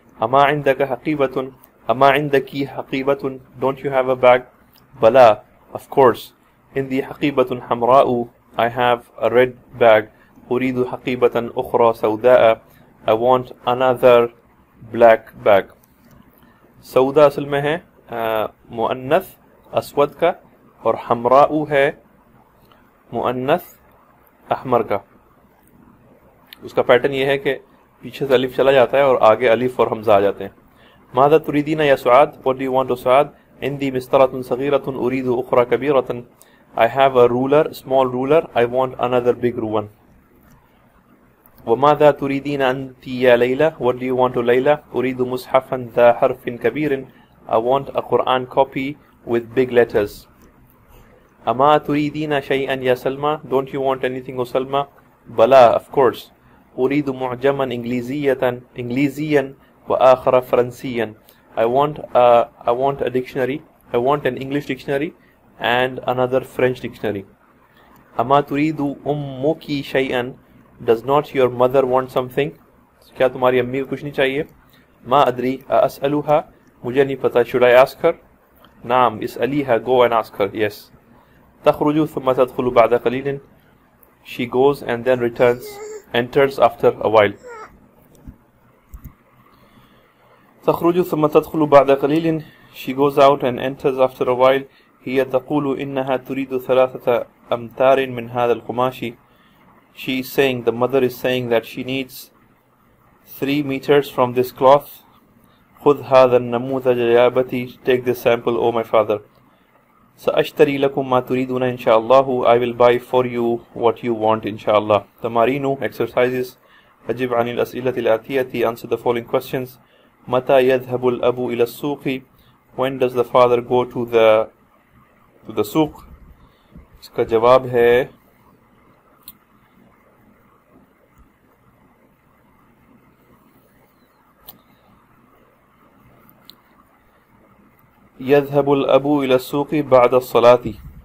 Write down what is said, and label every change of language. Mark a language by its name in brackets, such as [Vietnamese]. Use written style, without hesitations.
[Arabic] أما عندك حقيبة؟ أما عندك حقيبة؟ [English] Don't you have a bag? [Arabic] بلا, [English] of course. [Arabic] عندي حقيبة حمراء, [English] I have a red bag. [Arabic] أريد حقيبة أخرى سوداء, [English] I want another black bag. [Urdu] سوداء اصل میں ہے مؤنث, اسود کا, اور حمراء ہے مؤنث, احمر کا. اس کا پیٹرن یہ ہے کہ پیچھے سے الف چلا جاتا ہے اور آگے الف اور حمزہ آ جاتے ہیں. [Arabic] ماذا تريدين يا سعاد, [English] what do you want, O [Arabic] سعاد? عندي مسطرة صغيرة, اريد اخرى كبيرة. [English] I have a ruler, small ruler, I want another big one. [Arabic] وماذا تريدين انت يا ليلى, [English] what do you want, O [Arabic] ليلى? اريد مصحفا ذا حرف كبير, [English] I want a Quran copy with big letters. [Arabic] اما تريدين شيئا يا سلمى, [English] don't you want anything, O Salma? [Arabic] بلا, [English] of course. [Arabic] أريد معجما إنجليزية إنجليزيا وآخر فرنسيا. [English] I want a dictionary. I want an English dictionary and another French dictionary. [Arabic] أما تريد أمك شيئا. [English] Does not your mother want something? [Urdu] کیا تمہاری امی کو کچھ نہیں چاہیے؟ [Arabic] ما ادری اسألوها. [Urdu] مجھے نہیں پتا. [English] Should I ask her? [Arabic] نعم اسألیها. [English] Go and ask her. Yes. [Arabic] تخرج ثم تدخل بعد قليل. [English] She goes and then returns. Enters after a while. [Arabic] تخرج ثم تدخل بعد قليل. [English] She goes out and enters after a while. [Arabic] هي تقول إنها تريد ثلاثة أمتار من هذا القماش. [English] She is saying, the mother is saying that she needs 3 meters from this cloth. [Arabic] خذ هذا النموذج يا أبتي. [English] Take this sample, oh my father. [Arabic] سأشتري لكم ما تريدون إن شاء الله. [English] I will buy for you what you want, inshallah. [Arabic] تمارين exercises. أجب عن الأسئلة الآتية. [English] Answer the following questions. [Arabic] متى يذهب الأب إلى السوق؟ [English] When does the father go to the سوق؟ [Urdu] اسكا جواب ہے [Arabic] يذهب الأب إلى السوق بعد الصلاة.